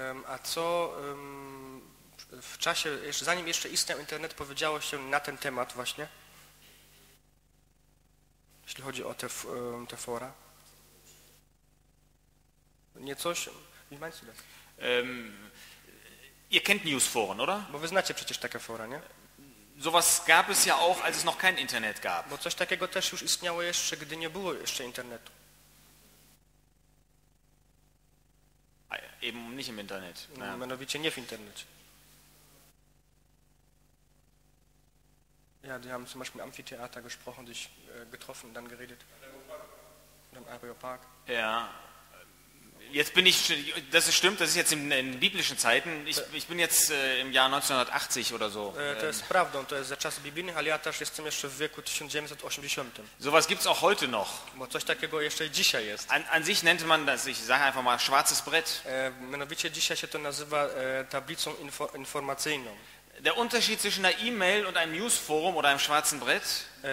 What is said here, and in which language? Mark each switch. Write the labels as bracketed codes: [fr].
[pl] A co w czasie, zanim jeszcze istniał Internet, powiedziało się na ten temat właśnie? Jeśli chodzi o te fora. Nie coś? [de] Wie meinst du das? Ihr kennt Newsforen, oder? [pl] Bo wy znacie przecież takie fora, nie? [de] Sowas gab es ja auch, als es noch kein Internet gab. [pl] Bo coś takiego też już istniało jeszcze, gdy nie było jeszcze Internetu. [de] A, eben nicht im Internet. Na. [pl] Mianowicie nie w Internecie. [de] Ja, die haben zum Beispiel im Amphitheater gesprochen, sich getroffen, dann geredet. Im Areopark. Ja. Jetzt bin ich, das ist stimmt, das ist jetzt in biblischen Zeiten. Ich bin jetzt im Jahr 1980 oder so. [pl] To jest prawdą, to jest za czasy biblijnych, ale ja też jestem jeszcze w wieku 1980. [de] Sowas gibt's auch heute noch. [pl] Bo coś takiego jeszcze dzisiaj jest. [de] An sich nennt man das, ich sage einfach mal, schwarzes Brett. [pl] Mianowicie dzisiaj się to nazywa tablicą informacyjną. [de] Der Unterschied zwischen einer E-Mail und einem Newsforum oder einem schwarzen Brett?